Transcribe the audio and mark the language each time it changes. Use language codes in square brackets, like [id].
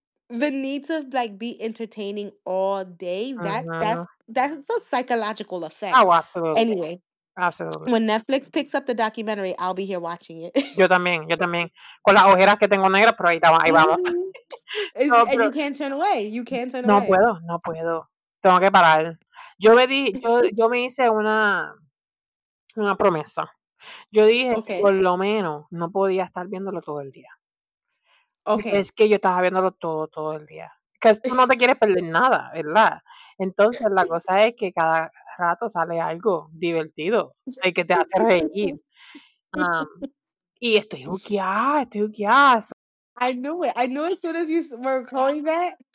[en] The need to, like, be entertaining all day, that's a psychological effect. Oh, absolutely. Anyway. Absolutely. When Netflix picks up the documentary, I'll be here watching it. [es] Yo también. Con las ojeras que tengo negras, pero ahí vamos. And you can't turn away. No puedo. tengo que parar. Yo me hice una promesa. Yo dije, okay, por lo menos no podía estar viéndolo todo el día. Okay. Es que yo estaba viéndolo todo el día. Que tú no te quieres perder nada, ¿verdad? Entonces la cosa es que cada rato sale algo divertido y que te hace reír. Y estoy hookeada, [en] I knew as soon as you were calling that.